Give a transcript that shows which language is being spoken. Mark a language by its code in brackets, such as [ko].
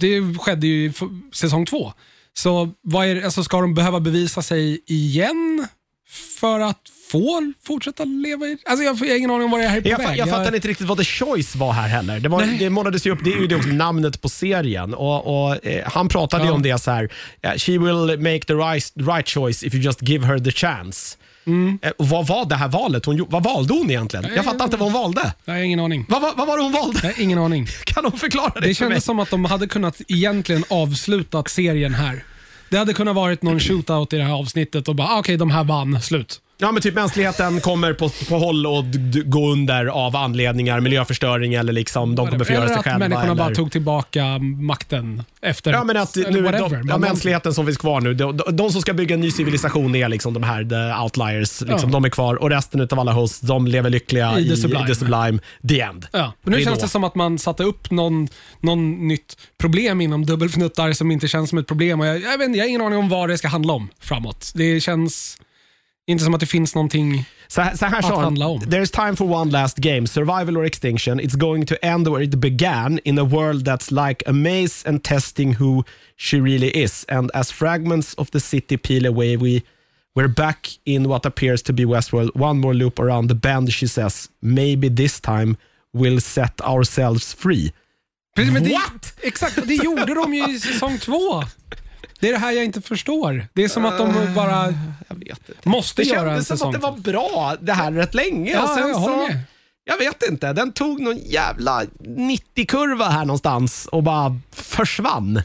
[sv] Det skedde ju i säsong 2. Så vad är, alltså, ska de behöva bevisa sig igen för att få fortsätta leva i... Alltså jag har ingen aning om vad det är på väg. Jag fattar inte riktigt vad The Choice var här heller. Det målades ju upp, det är ju det också namnet på serien. Och han pratade ju om det så här. [en] She will make the right choice if you just give her the chance. [sv] Vad var det här valet? Vad valde hon egentligen? Jag fattar inte vad hon valde. Jag har ingen aning. Vad var det hon valde? Jag har ingen aning. Kan hon förklara det för mig? Det kändes som att de hade kunnat egentligen avsluta serien här. Det hade kunnat varit någon shootout i det här avsnittet och bara, okej, de här vann, slut. Ja, men typ mänskligheten kommer på håll och gå under av anledningar, miljöförstöring eller liksom, de kommer förgöra sig själva. Eller att människorna bara tog tillbaka makten efter. Ja, men att nu, mänskligheten som finns kvar nu, de som ska bygga en ny civilisation är liksom de här, [en] the outliers, [sv] liksom, de är kvar. Och resten av alla hos, de lever lyckliga i The Sublime, [en] the end. [sv] Ja, men nu känns det som att man satte upp någon nytt problem inom dubbelfnuttar som inte känns som ett problem. Och jag har ingen aning om vad det ska handla om framåt. Det känns... Inte som att det finns någonting att handla om. [en] There's time for one last game, survival or extinction. It's going to end where it began, in a world that's like a maze and testing who she really is. And as fragments of the city peel away, we're back in what appears to be Westworld. One more loop around the bend, she says. Maybe this time we'll set ourselves free. [sv] Precis, men what? Exakt, det gjorde de ju i säsong 2. Det är det här jag inte förstår. Det är som att de bara jag vet inte. Måste det göra en säsong. Det kändes som att det var bra det här rätt länge. Ja, och sen jag håller med. jag vet inte, den tog någon jävla 90-kurva här någonstans och bara försvann.